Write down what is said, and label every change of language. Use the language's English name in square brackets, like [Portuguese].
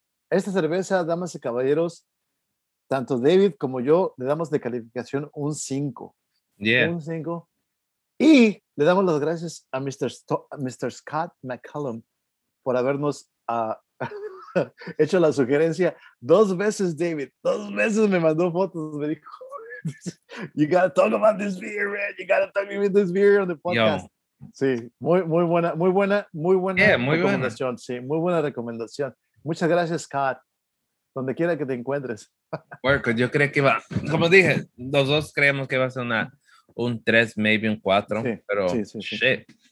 [Spanish] Esta cerveza, damas y caballeros, tanto David como yo le damos de calificación un 5. [English] Yeah. [Spanish] Un 5. Y le damos las gracias a Mr. Scott McCallum por habernos hecho la sugerencia dos veces, David. Dos veces me mandó fotos. Me dijo, [English] you gotta talk about this beer, man. You gotta talk about this beer on the podcast. Yo. [Spanish] Sí, muy buena recomendación. Sí, muy buena recomendación. Muchas gracias, Scott. Donde quiera que te encuentres. Bueno, yo creo que va, como dije, los dos creemos que va a ser un 3, maybe un 4. Sí, pero sí.